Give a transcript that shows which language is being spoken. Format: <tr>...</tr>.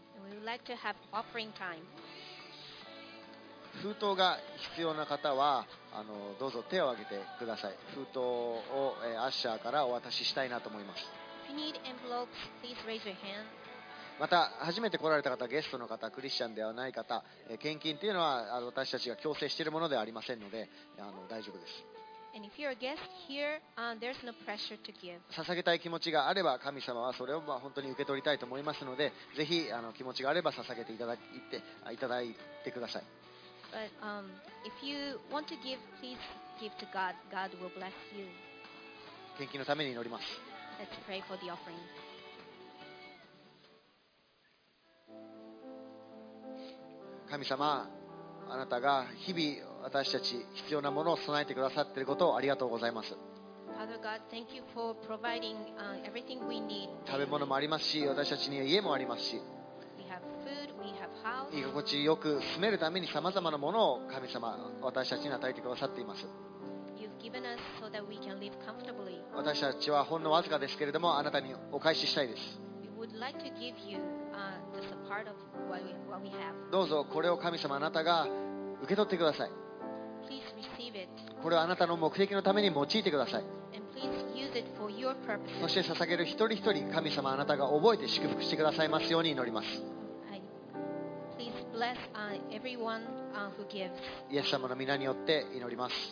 <en>We would like to have offering time.</en> <ja>封筒が必要な方はどうぞ手を挙げてください。封筒を、アッシャーからお渡ししたいなと思います。</ja> <en>If you need envelopes, please raise your hand.</en> <ja>また初めて来られた方、ゲストの方、クリスチャンではない方、献金というのは私たちが強制しているものではありませんので大丈夫です。</ja> <en>And if you're a guest here, there's no pressure to give.</en> <ja>捧げたい気持ちがあれば神様はそれを本当に受け取りたいと思いますので、ぜひ気持ちがあれば捧げていただいてください。</ja> <en>But, if you want to give, please give to God. God will bless you.</en> <ja>献金のために祈ります。</ja> <en>Let's pray for the offering.</en> <ja>神様、あなたが日々私たち必要なものを備えてくださっていることをありがとうございます。</ja> <en>Father God, thank you for providing everything we need.</en> <ja>食べ物もありますし、私たちには家もありますし、</ja> <en>we have food, we have house.</en> <ja>居心地よく住めるためにさまざまなものを神様、私たちに与えてくださっています。</ja> <en>You've given us so that we can live comfortably.</en> <ja>私たちはほんのわずかですけれども、あなたにお返ししたいです。</ja> <en>Would like to give you, just a part of what we have.</en> <ja>どうぞこれを神様あなたが受け取ってください。</ja> <en>Please receive it.</en> <ja>これをあなたの目的のために用いてください。</ja> <en>And please use it for your purposes.</en> <ja>そして捧げる一人一人、神様あなたが覚えて祝福してくださいますように祈ります。</ja> <en>Please bless, everyone, who gives.</en> <ja>イエス様の御名によって祈ります。</ja>